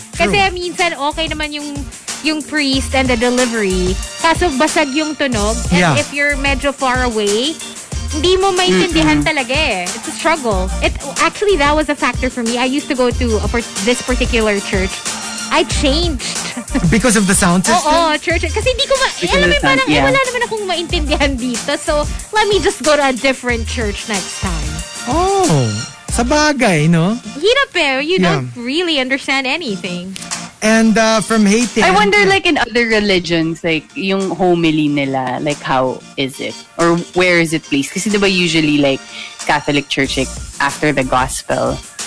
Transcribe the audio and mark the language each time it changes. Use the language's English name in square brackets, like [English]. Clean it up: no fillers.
[Filipino] Kasi minsan okay naman yung priest [English] and the delivery. [Filipino] Kaso basag yung tunog. [English] And if you're [Filipino] medyo [English] far away, [Filipino] hindi mo maintindihan talaga eh. [English] It's a struggle. Actually, that was a factor for me. I used to go to this particular church. I changed. Because of the sound system? Oh, church. [Filipino] Kasi hindi ko wala naman akong maintindihan dito. [English] So, let me just go to a different church next time. [Filipino] Oh, sa bagay, no? Hirap eh. [English] You don't really understand anything. And from Haiti. I wonder, like, in other religions, like, [Filipino] yung homily nila, [English] like, how is it? Or where is it placed? [Filipino] Kasi diba [English] usually, like, Catholic Church, like, after the gospel...